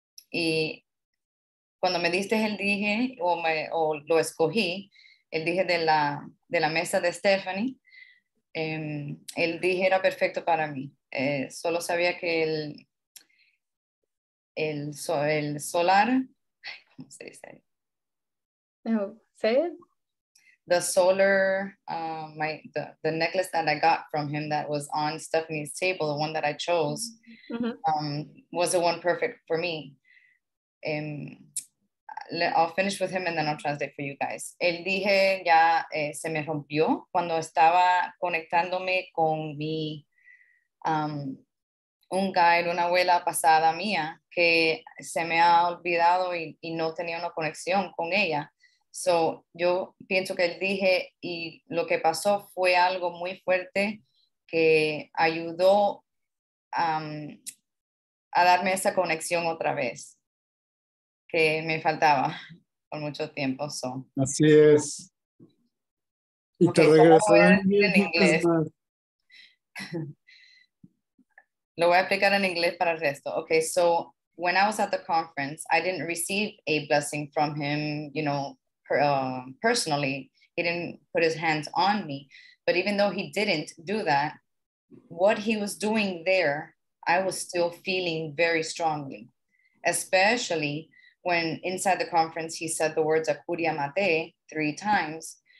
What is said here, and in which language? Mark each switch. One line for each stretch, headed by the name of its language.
Spanish: Y cuando me diste el dije o lo escogí, el dije de la mesa de Stephanie, el dije era perfecto para mí. Solo sabía que el solar, ¿cómo se dice?
English: No, say it. The solar, the necklace that I got from him that was on Stephanie's table, the one that I chose, mm-hmm. Was the one perfect for me. I'll finish with him and then I'll translate for you guys.
Spanish: El dije ya se me rompió cuando estaba conectándome con mi un guide, una abuela pasada mía que se me ha olvidado y no tenía una conexión con ella. So yo pienso que el dije y lo que pasó fue algo muy fuerte que ayudó a darme esa conexión otra vez. Que me faltaba por mucho tiempo. So. Así es. Y okay, te regresarán en inglés. Lo voy a aplicar en inglés para el resto.
English: Okay, so when I was at the conference, I didn't receive a blessing from him, you know, personally. He didn't put his hands on me. But even though he didn't do that, what he was doing there, I was still feeling very strongly, especially when inside the conference, he said the words Acuria Mate three times.